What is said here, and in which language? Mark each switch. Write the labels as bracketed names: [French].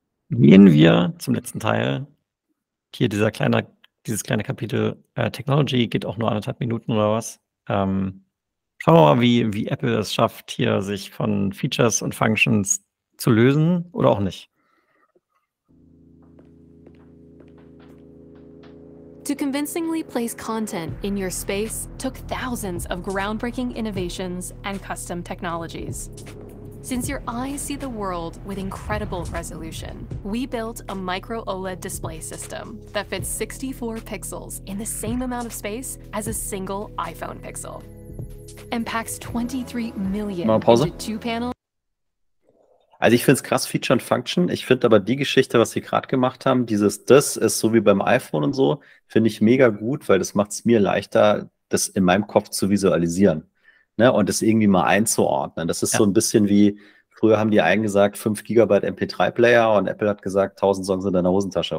[German] gehen wir zum letzten Teil. Hier dieses kleine Kapitel Technology geht auch nur anderthalb Minuten oder was. Schauen wir mal, wie Apple es schafft, hier sich von Features und Functions zu lösen oder auch nicht. [English] To convincingly place content in your space took thousands of groundbreaking innovations and custom technologies. Since your eyes see the world with incredible resolution, we built a micro OLED display system that fits 64 pixels in the same amount of space as a single iPhone pixel and packs 23 million two-panel. [German] Also ich finde es krass, Feature und Function. Ich finde aber die Geschichte, was sie gerade gemacht haben, das ist so wie beim iPhone und so, finde ich mega gut, weil das macht es mir leichter, das in meinem Kopf zu visualisieren, ne, und das irgendwie mal einzuordnen. Das ist ja so ein bisschen wie, früher haben die einen gesagt, 5 GB MP3-Player und Apple hat gesagt, 1000 Songs in deiner Hosentasche.